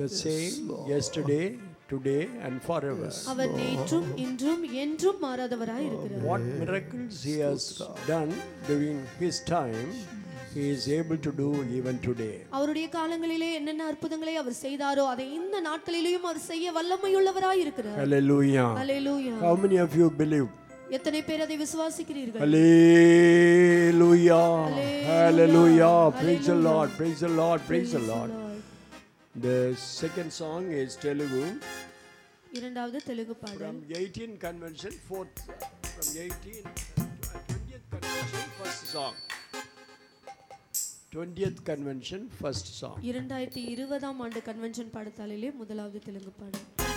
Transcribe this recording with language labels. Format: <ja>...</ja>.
<en>The same yesterday, today and forever.</en> <ta>அவர் நேற்றும் இன்றும் என்றும் மாறாதவராய் இருக்கிறார்.</ta> <en>What miracles he has done during his time, he is able to do even today.</en> <ta>அவருடைய காலங்களிலே என்னென்ன அற்புதங்களை அவர் செய்தாரோ அதை இந்த நாட்களிலேயும் அவர் செய்ய வல்லமை உள்ளவராய் இருக்கிறார்.</ta> <en>Hallelujah. Hallelujah. How many of you believe?</en> <ta>எத்தனை பேர் அதை விசுவாசிக்கிறீர்கள்</ta> <en>hallelujah hallelujah praise the lord praise the lord praise the lord the second song is Telugu</en> <ta>இரண்டாவது தெலுங்கு பாடல்</ta> <en>from 18th convention fourth from 20th convention first song</en> <ta>2020 ஆம் ஆண்டு கன்வென்ஷன் பாடத்தாலிலே முதலாவது தெலுங்கு பாடல்</ta>